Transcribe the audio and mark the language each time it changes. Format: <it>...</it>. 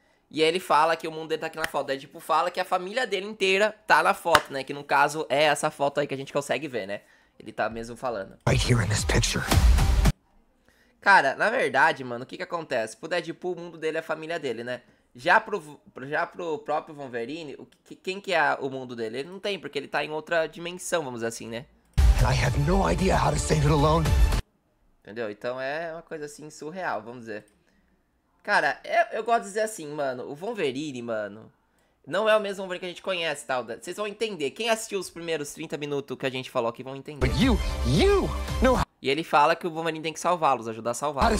<pt>E aí ele fala que o mundo dele tá aqui na foto. Deadpool fala que a família dele inteira tá na foto, né? Que no caso é essa foto aí que a gente consegue ver, né? Ele tá mesmo falando.</pt> <en>Right here in this picture.</en> <pt>Cara, na verdade, mano, o que que acontece? Pro Deadpool, o mundo dele é a família dele, né? Já pro próprio Wolverine, quem que é o mundo dele? Ele não tem, porque ele tá em outra dimensão, vamos dizer assim, né?</pt> <en>And I have no idea how to save it alone.</en> <pt>Entendeu? Então é uma coisa assim surreal, vamos dizer. Cara, eu gosto de dizer assim, mano, o Wolverine, mano, não é o mesmo Wolverine que a gente conhece, tal. Vocês vão entender. Quem assistiu os primeiros 30 minutos que a gente falou aqui vão entender.</pt> <en>But you know how...</en> <pt>E ele fala que o Wolverine tem que salvá-los, ajudar a salvá-los.</pt>